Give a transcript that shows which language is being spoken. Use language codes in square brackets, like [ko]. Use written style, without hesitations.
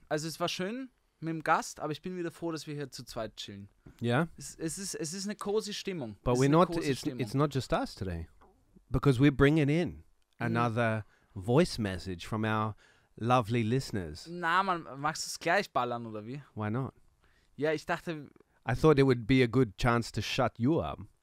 [de] Also es war schön mit dem Gast, aber ich bin wieder froh, dass wir hier zu zweit chillen. [en] Yeah. [de] Es ist eine cozy Stimmung. [en] But it's not just us today. Because we're bringing in another voice message from our lovely listeners. [de] Na, Mann, magst du es gleich ballern oder wie? [en] Why not? [de] Ja, ich dachte... [en] I thought it would be a good chance to shut you up.